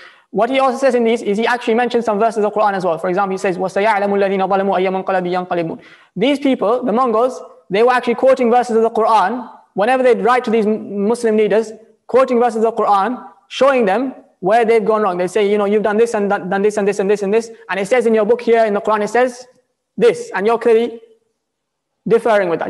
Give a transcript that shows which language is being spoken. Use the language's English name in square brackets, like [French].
[English] What he also says in these is he actually mentions some verses of Quran as well. For example, he says, [Arabic] وَسَيَعْلَمُ الَّذِينَ ظَلَمُوا أَيَّ مُنْقَلَبٍ يَنْقَلِبُونَ. [English] These people, the Mongols, they were actually quoting verses of the Quran whenever they'd write to these Muslim leaders, quoting verses of the Quran, showing them where they've gone wrong. They say, you know, you've done this and done this and this and this and this, and it says in your book here in the Quran, it says this, and you're clearly differing with that.